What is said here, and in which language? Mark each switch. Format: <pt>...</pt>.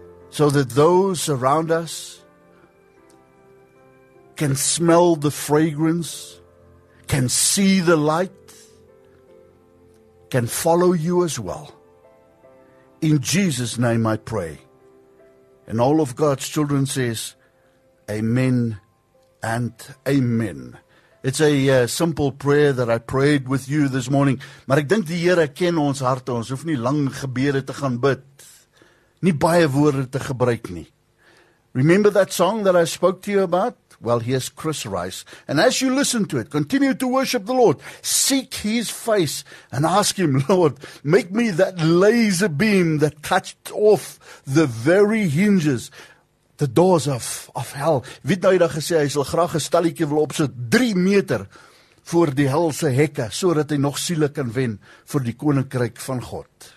<en>So that those around us can smell the fragrance, can see the light, can follow you as well. In Jesus' name I pray. And all of God's children says, amen and amen. It's a simple prayer that I prayed with you this morning.</en> <af>Maar ek dink die Here ken ons harte, ons hoef nie lang gebede te gaan bid. Nie baie woorde te gebruik nie.</af> <en>Remember that song that I spoke to you about? Well, here's Chris Rice. And as you listen to it, continue to worship the Lord. Seek His face and ask Him, Lord, make me that laser beam that cut off the very hinges, the doors of hell.</en> <af>Weet nou, hy het gesê, hy sal graag 'n stalletjie wil opsit, 3 meter voor die helse hekke, so dat hy nog siele kan wen vir die koninkryk van God.</af>